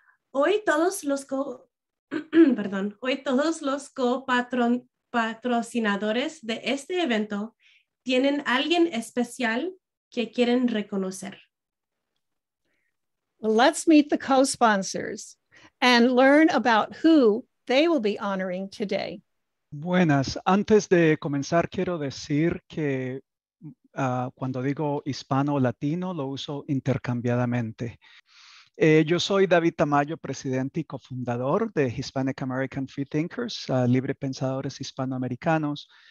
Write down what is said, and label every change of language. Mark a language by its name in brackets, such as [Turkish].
[Spanish] Hoy todos los patrocinadores de este evento tienen alguien especial que quieren reconocer. [English] Well, let's meet the co-sponsors and learn about who they will be honoring today. [Spanish] Buenas. Antes de comenzar, quiero decir que cuando digo hispano o latino, lo uso intercambiadamente. Yo soy David Tamayo, presidente y cofundador de Hispanic American Freethinkers, libre pensadores hispanoamericanos.